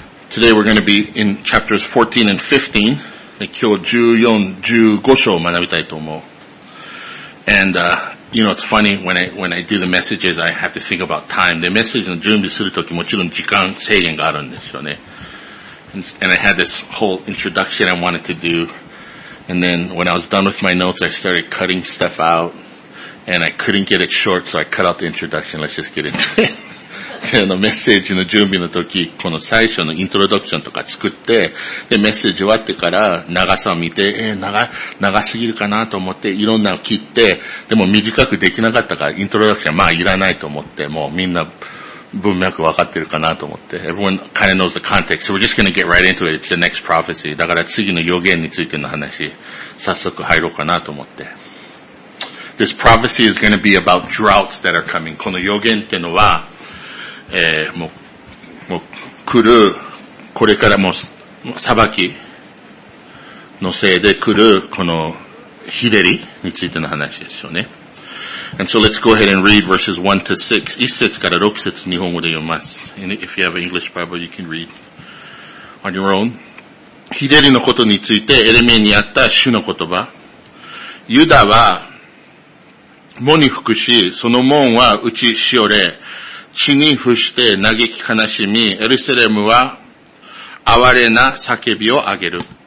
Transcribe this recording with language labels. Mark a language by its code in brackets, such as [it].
[en] Today we're going to be in chapters 14 and 15. [ja] で、今日14、15章を学びたいと思う。 [en] And, you know, it's funny when I do the messages, I have to think about time. [ja] で、メッセージの準備するときもちろん時間制限があるんですよね。 [en] And I had this whole introduction I wanted to do. And then when I was done with my notes, I started cutting stuff out. And I couldn't get it short, so I cut out the introduction. Let's just get into it. [ja] で、あの、メッセージの準備のとき、この最初のイントロダクションとか作って、で、メッセージ終わってから、長さを見て、長すぎるかなと思って、いろんなのを切って、でも短くできなかったから、イントロダクションはまあいらないと思って、もうみんな文脈わかってるかなと思って。 [en] Everyone kind of knows the context, so we're just gonna get right into it. It's the next prophecy. [ja] だから次の予言についての話、早速入ろうかなと思って。 [en] This prophecy is gonna be about droughts that are coming. [ja] この予言っていうのは、もう来る、これからも裁きのせいで来るこの日照りについての話ですよね。 [en] And so let's go ahead and read verses 1 to 6. [ja] 1節から6節日本語で読みます。 [en] And if you have an English Bible, you can read on your own. [ja] 日照りのことについてエレミヤにあった主の言葉。ユダは門に服し、その門は打ちしおれ。地に伏して嘆き悲しみ、エルサレムは哀れな叫びをあげる。